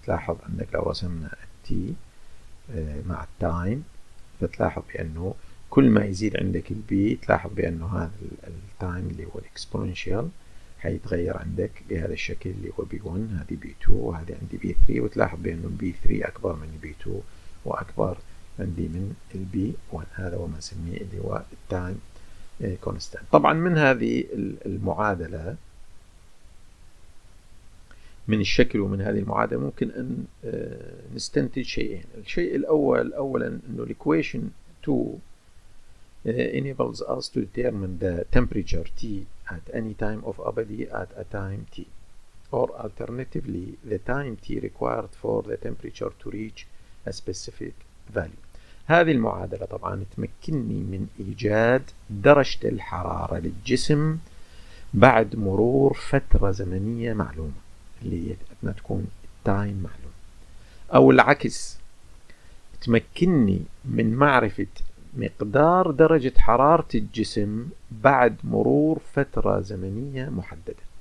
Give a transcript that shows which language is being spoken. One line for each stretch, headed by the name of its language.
Arabic: تلاحظ انك لو رسمنا التي مع التايم، فتلاحظ بانه كل ما يزيد عندك البي تلاحظ بانه هذا التايم اللي هو الاكسبوننشال حيتغير عندك بهذا الشكل، اللي هو بي 1 هذه بي 2 وهذه عندي بي 3، وتلاحظ بانه البي 3 اكبر من البي 2 واكبر عندي من البي 1. هذا هو ما نسميه اللي هو التايم كونستانت. طبعا من هذه المعادلة، من الشكل ومن هذه المعادلة، ممكن أن نستنتج شيئين. الشيء الأول، أولا أنه الإكويشن 2
English: enables us to determine the temperature T at any time of a body at a time T, or alternatively the time T required for the temperature to reach a specific value.
Arabic: هذه المعادلة طبعا تمكنني من إيجاد درجة الحرارة للجسم بعد مرور فترة زمنية معلومة، اللي هي تكون التايم معلوم، أو العكس تمكنني من معرفة مقدار درجة حرارة الجسم بعد مرور فترة زمنية محددة.